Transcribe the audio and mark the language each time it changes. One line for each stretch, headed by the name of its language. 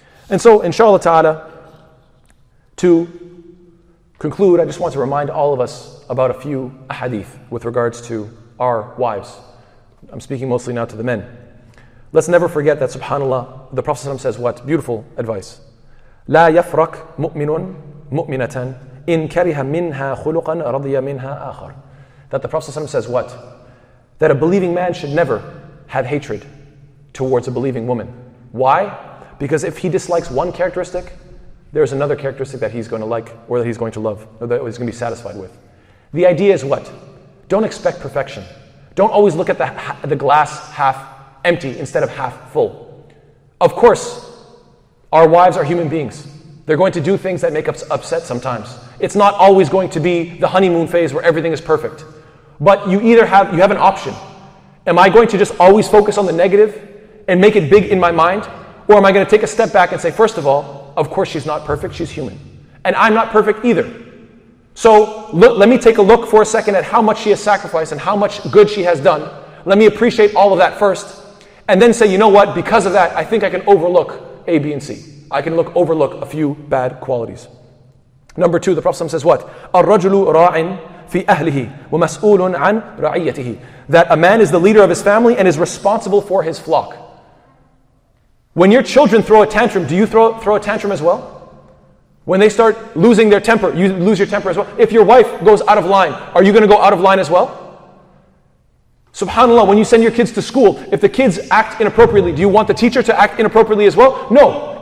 English: And so inshallah ta'ala, to conclude, I just want to remind all of us about a few ahadith with regards to our wives. I'm speaking mostly now to the men. Let's never forget that subhanAllah, the Prophet ﷺ says what? Beautiful advice.
Arabic: لا يفرق مؤمن مؤمنة إن كره منها خلقا رضي منها آخر.
English: That the Prophet ﷺ says what? That a believing man should never have hatred towards a believing woman. Why? Because if he dislikes one characteristic, there's another characteristic that he's going to like or that he's going to love or that he's going to be satisfied with. The idea is what? Don't expect perfection. Don't always look at the glass half empty instead of half full. Of course, our wives are human beings. They're going to do things that make us upset sometimes. It's not always going to be the honeymoon phase where everything is perfect. But you have an option. Am I going to just always focus on the negative and make it big in my mind? Or am I going to take a step back and say, first of all, of course she's not perfect, she's human. And I'm not perfect either. So let me take a look for a second at how much she has sacrificed and how much good she has done. Let me appreciate all of that first. And then say, you know what, because of that, I think I can overlook A, B, and C. I can overlook a few bad qualities. Number two, the Prophet says what?
Arabic: الرجل راعٍ في أهله ومسؤول عن رعيته.
English: That a man is the leader of his family and is responsible for his flock. When your children throw a tantrum, do you throw a tantrum as well? When they start losing their temper, you lose your temper as well. If your wife goes out of line, are you going to go out of line as well? SubhanAllah, when you send your kids to school, if the kids act inappropriately, do you want the teacher to act inappropriately as well? No.